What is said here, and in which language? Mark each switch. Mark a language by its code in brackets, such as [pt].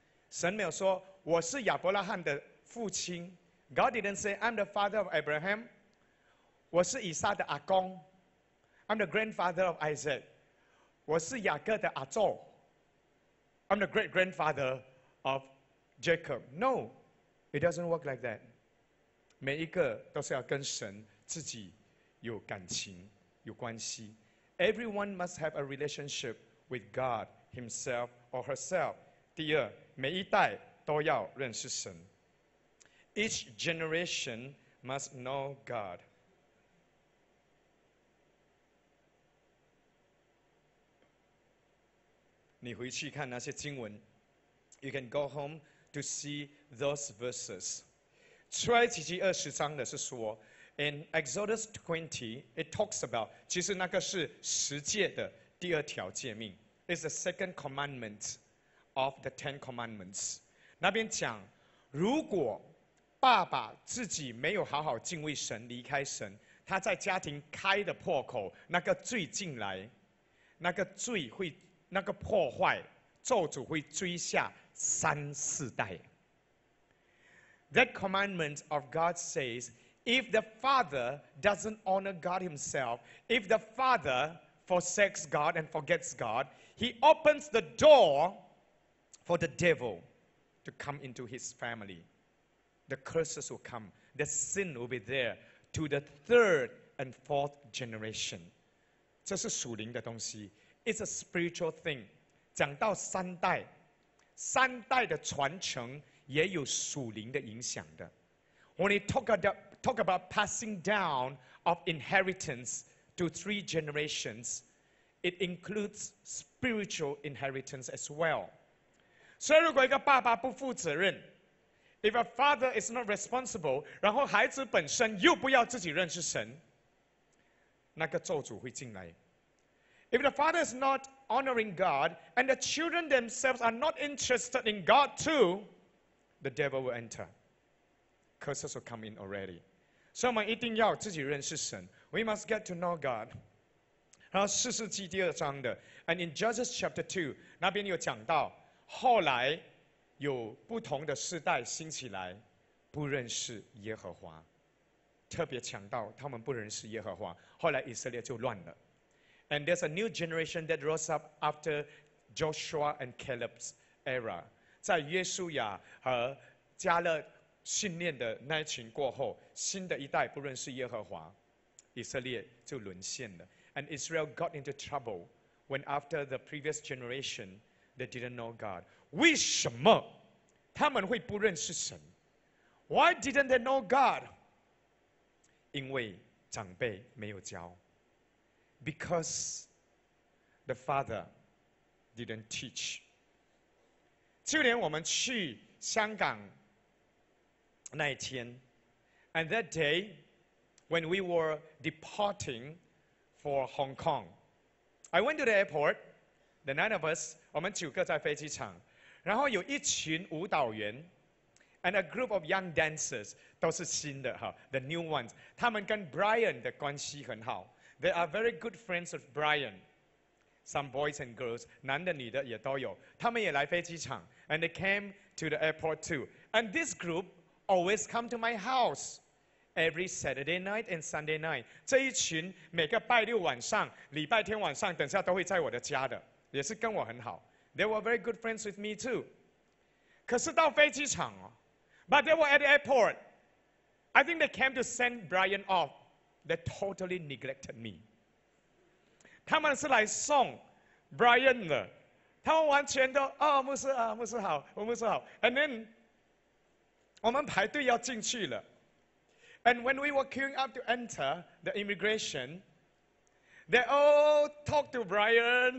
[zh] 神没有说我是亚伯拉罕的父亲， [en] God didn't say I'm the father of Abraham， [zh] 我是以撒的阿公， [en] I'm the grandfather of Isaac， [zh] 我是雅各的阿祖， [en] I'm the great grandfather of Jacob。 No, it doesn't work like that。 [zh] 每一个都是要跟神自己有感情有关系。 [en] Everyone must have a relationship with God himself or herself. [zh] 第二，每一代都要认识神。 [en] Each generation must know God. [zh] 你回去看那些经文， [en] You can go home to see those verses. [zh] 出埃及记二十章的是说 [en] ，In Exodus 20, it talks about， [zh] 其实那个是十诫的第二条诫命 [en] ，is the second commandment of the Ten Commandments。 [zh] 那边讲，如果爸爸自己没有好好敬畏神，离开神，他在家庭开的破口，那个罪进来，那个罪会，那个破坏，咒诅会追下三四代。 [en] That commandment of God says, if the father doesn't honor God himself, if the father forsakes God and forgets God, he opens the door for the devil to come into his family. The curses will come. The sin will be there to the third and fourth generation. [zh] 这是属灵的东西。 [en] It's a spiritual thing. [zh] 讲到三代，三代的传承也有属灵的影响的。 [en] When you talk about passing down of inheritance to three generations, it includes spiritual inheritance as well. [zh] 所以如果一个爸爸不负责任， [en] if a father is not responsible, [zh] 然后孩子本身又不要自己认识神，那个咒诅会进来。 [en] If the father is not honoring God and the children themselves are not interested in God too,The devil will enter. Curses will come in already. So we [zh] 一定要自己认识神。 [en] We must get to know God. [zh] 然后四世纪第二章的 ， [en] and in Judges chapter 2, [zh] 那边有讲到，后来有不同的世代兴起来，不认识耶和华，特别强调他们不认识耶和华。后来以色列就乱了。 [en] And there's a new generation that rose up after Joshua and Caleb's era. [zh] 在约书亚和加勒训练的那一群过后，新的一代不认识耶和华，以色列就沦陷了。 [en] And Israel got into trouble when after the previous generation they didn't know God. [zh] 为什么他们会不认识神？ [en] Why didn't they know God? [zh] 因为长辈没有教。 [en] Because the father didn't teach. [zh] 就连我们去香港那一天， [en] And that day, when we were departing for Hong Kong, I went to the airport, the nine of us, [zh] 我们九个在飞机场，然后有一群舞蹈员 [en] and a group of young dancers, [zh] 都是新的 [en] the new ones, [zh] 他们跟 Brian 的关系很好。 [en] They are very good friends of Brian. Some boys and girls, [zh] 男的女的也都有。他们也来飞机场 [en] and they came to the airport too. And this group always come to my house every Saturday night and Sunday night. [zh] 这一群每个拜六晚上、礼拜天晚上，等下都会在我的家的，也是跟我很好。 [en] They were very good friends with me too. [zh] 可是到飞机场哦 [en] ，But they were at the airport. I think they came to send Brian off. They totally neglected me. [zh] 他们是来送 Brian 的，他们完全都哦，牧师啊，牧师好，我牧师好。 [en] And then [zh] 我们排队要进去了。 [en] And when we were queuing up to enter the immigration, they all talk to Brian.